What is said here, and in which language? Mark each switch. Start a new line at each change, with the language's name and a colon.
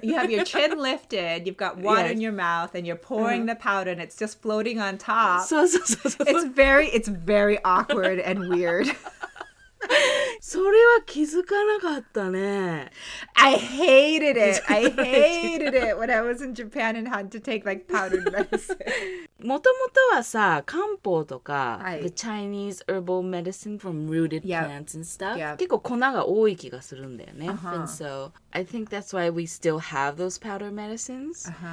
English: You have your chin lifted, you've got water in your mouth, and you're pouring the powder, and it's just floating on top.
Japanese: そうそうそう。
English: It's very awkward and weird.
Japanese: それは気づかなかったね。
English: I hated it when I was in Japan and had to take like powdered medicine.
Japanese: もともとはさ、漢方とか、
English: the Chinese herbal medicine from rooted plants and stuff,
Japanese: 結構粉が多い気がするんだよね。
English: And so, I think that's why we still have those powder medicines.